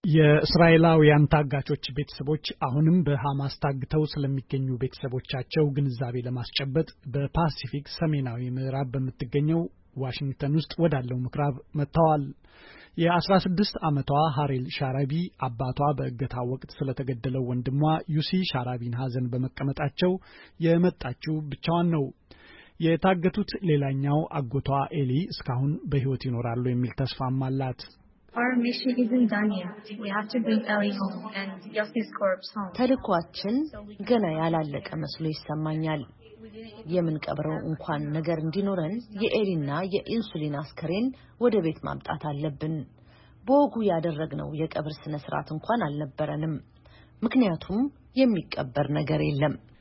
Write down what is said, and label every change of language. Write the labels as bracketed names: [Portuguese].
[Amharic] የእስራኤላውያን ታጋቾች ቤተሰቦች አሁንም በሐማስ ታግተው ስለሚገኙ ቤተሰቦቻቸው ግንዛቤ ለማስጨበጥ በፓሲፊክ ሰሜናዊ ምዕራብ በምትገኘው ዋሽንግተን ውስጥ ወዳለው ምክራብ መጥተዋል። የ16 ዓመቷ ሐሪል ሻራቢ አባቷ በእገታ ወቅት ስለተገደለው ወንድሟ ዩሲ ሻራቢን ሐዘን በመቀመጣቸው የመጣችው ብቻዋን ነው። የታገቱት ሌላኛው አጎቷ ኤሊ እስካሁን በሕይወት ይኖራሉ የሚል ተስፋም አላት። [English] Our mission isn't done yet. We have to bring Ellie home and Yossi's corpse home. [Amharic] ተልኳችን ገና ያላለቀ መስሎ ይሰማኛል። የምንቀብረው እንኳን ነገር እንዲኖረን የኤሊና የኢንሱሊን አስከሬን ወደ ቤት ማምጣት አለብን። በወጉ ያደረግነው የቀብር ስነ ስርዓት እንኳን አልነበረንም፣ ምክንያቱም የሚቀበር ነገር የለም።